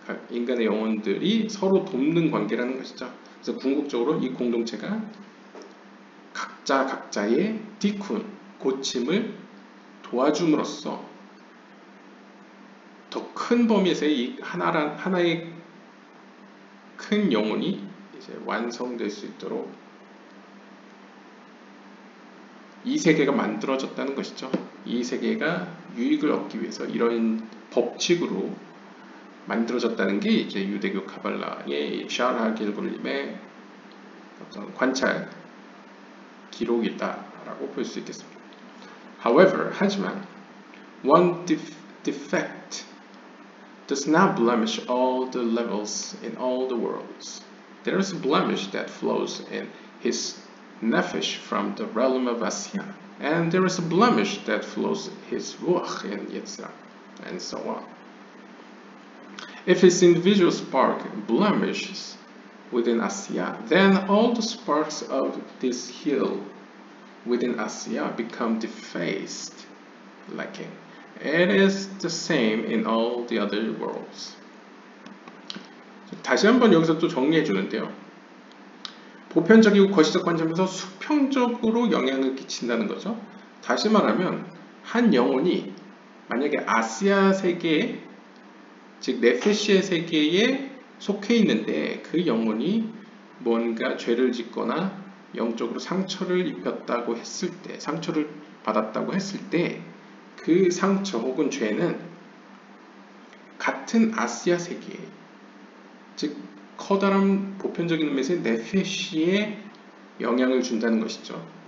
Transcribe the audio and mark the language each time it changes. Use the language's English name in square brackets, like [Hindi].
[Korean] 인간의 영혼들이 서로 돕는 관계라는 것이죠. 그래서 궁극적으로 이 공동체가 각자 각자의 디쿤, 고침을 도와줌으로써 더 큰 범위에서의 이 하나의 큰 영혼이 이제 완성될 수 있도록 이 세계가 만들어졌다는 것이죠. 이 세계가 유익을 얻기 위해서 이런 법칙으로 만들어졌다는 게 이제 유대교 카발라의 샤르하 길굴림의 어떤 관찰 기록이다라고 볼 수 있겠습니다. [English] However, [Korean] 하지만 [English] one defect does not blemish all the levels in all the worlds. There is a blemish that flows in his nefesh from the realm of Asiyah, and there is a blemish that flows his ruach in Yetzirah, and so on. If his individual spark blemishes within Asiyah, then all the sparks of this hill within Asiyah become defaced, lacking. It is the same in all the other worlds. [Korean] 다시 한번 여기서 또 정리해 주는데요. 보편적이고 거시적 관점에서 수평적으로 영향을 끼친다는 거죠. 다시 말하면 한 영혼이 만약에 아시아 세계, 즉 네페시의 세계에 속해 있는데 그 영혼이 뭔가 죄를 짓거나 영적으로 상처를 입혔다고 했을 때, 상처를 받았다고 했을 때 그 상처 혹은 죄는 같은 아시아 세계, 즉 커다란 보편적인 의미에서 네페시에 영향을 준다는 것이죠.